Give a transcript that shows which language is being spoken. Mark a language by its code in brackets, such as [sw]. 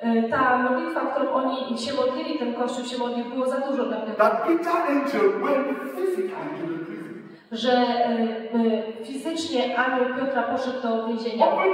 [pl] Ta modlitwa, którą oni się modlili, ten kościół się modlił, było za dużo dla tego. [en] That Peter angel went physically to the prison. [pl] Że fizycznie anioł Piotra poszedł do więzienia.